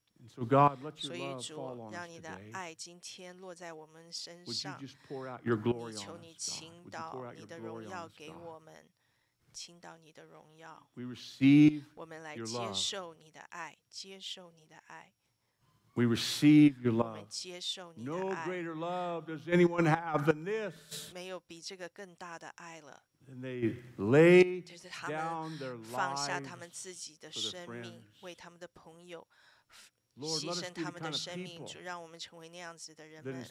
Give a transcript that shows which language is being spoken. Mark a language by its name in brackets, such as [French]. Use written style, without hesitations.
[Chinese] 所以主，让你的爱今天落在我们身上。你求你倾倒你的荣耀给我们，倾倒你的荣耀。我们来接受你的爱，接受你的爱。 [English] We receive your love. [Chinese] 我们接受你的爱。 [English] No greater love does anyone have than this. [Chinese] 没有比这个更大的爱了。 [English] And they lay down their lives. [Chinese] 放下他们自己的生命，为他们的朋友。 [English] Lord, [Chinese] 牺牲他们的生命，主让我们成为那样子的人们。